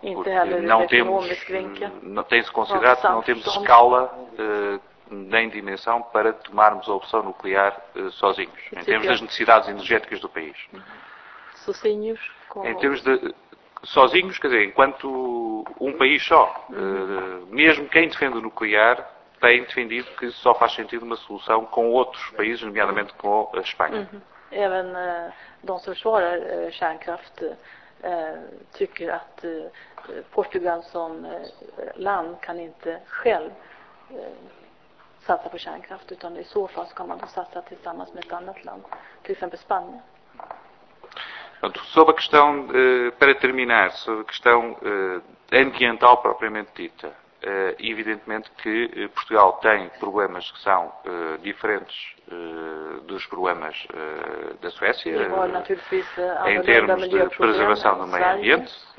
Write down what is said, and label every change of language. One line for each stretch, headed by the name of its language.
Portuguese: Tem-se considerado que não temos escala nem dimensão para tomarmos a opção nuclear sozinhos, em termos das necessidades energéticas do país. Sozinhos? Em termos de... Sozinhos, quer dizer, enquanto um país só, mesmo quem defende o nuclear... tem defendido que só faz sentido uma solução com outros países, nomeadamente com a Espanha.
Swedish: Även de som försvarar kärnkraft tycker att Portugal som land kan inte själv satsa på kärnkraft, utan i så fall så kan man då satsa tillsammans med ett annat land, till exempel Spanien.
Portuguese: Sobre a questão, para terminar, sobre a questão ambiental propriamente dita, evidentemente que Portugal tem problemas que são diferentes dos problemas da Suécia, em termos de preservação do meio ambiente,